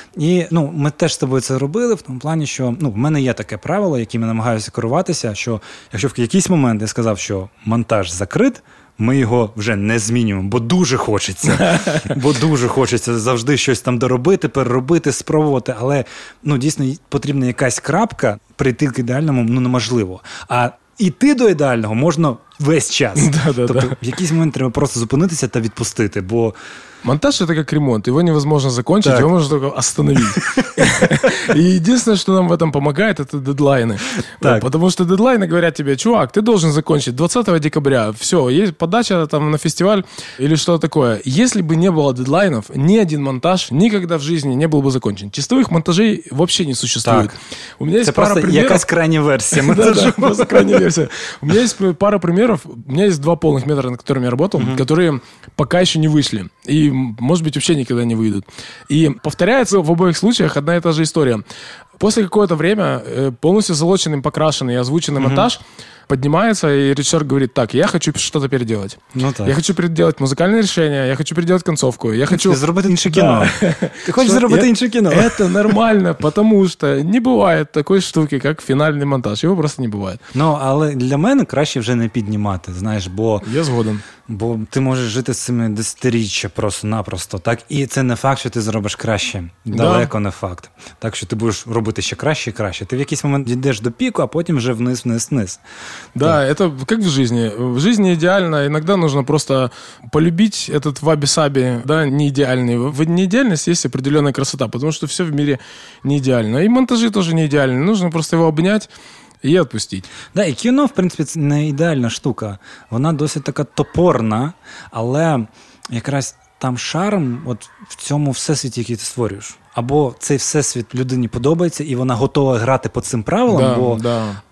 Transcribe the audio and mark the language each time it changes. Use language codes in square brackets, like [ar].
[uk] І ну, ми теж з тобою це робили, в тому плані, що, ну, в мене є таке правило, яким я намагаюся керуватися, що якщо в якийсь момент я сказав, що монтаж закрит, ми його вже не змінюємо, бо дуже хочеться. Бо дуже хочеться завжди щось там доробити, переробити, спробувати, але, ну, дійсно, потрібна якась крапка, прийти к ідеальному, ну, неможливо. А іти до ідеального можна весь час. Тобто, в якийсь момент треба просто зупинитися та відпустити, бо [ru] монтаж – это как ремонт, его невозможно закончить, так. Его можно только остановить. И единственное, что нам в этом помогает, это дедлайны. Так. Потому что дедлайны говорят тебе, чувак, ты должен закончить 20 декабря, все, есть подача там на фестиваль или что-то такое. Если бы не было дедлайнов, ни один монтаж никогда в жизни не был бы закончен. Чистовых монтажей вообще не существует. Так. У меня есть пара примеров. Это просто крайняя версия монтажа. Да, просто крайняя версия. У меня есть пара примеров, у меня есть 2 полных метра, над которыми я работал, которые пока еще не вышли. И может быть, вообще никогда не выйдут. И повторяется в обоих случаях одна и та же история. После какого-то времени полностью залоченный, покрашенный и озвученный монтаж поднимается, и режиссер говорит: так, я хочу что-то переделать. Ну, так. Я хочу переделать музыкальное решение, я хочу переделать концовку. Я хочу... заработать меньше кино. Да. Ты хочешь заработать меньше кино? Это нормально, потому что не бывает такой штуки, как финальный монтаж. Его просто не бывает. [uk] Ну, але для мене краще вже не піднімати, знаєш, бо... Я згоден. Бо ти можеш жити з цими десятиріччя просто-напросто, так? І це не факт, що ти зробиш краще. Далеко [ru] да. [uk] не факт. Так що ти будеш робити ще краще і краще. Ти в якийсь момент йдеш до піку, а потім вже вниз-вниз-вниз. [ru] Да, это как в жизни. В жизни идеально. Иногда нужно просто полюбить этот ваби-саби, да, не идеальный. В неидеальности есть определенная красота, потому что все в мире не идеально. И монтажи тоже не идеальны. Нужно просто его обнять [uk] і відпустити. Да, і кіно, в принципі, це не ідеальна штука. Вона досить така топорна, але якраз там шарм от в цьому всесвіті, який ти створюєш. Або цей всесвіт людині подобається, і вона готова грати по цим правилам, [ru] да, [uk] бо... [ru] Да.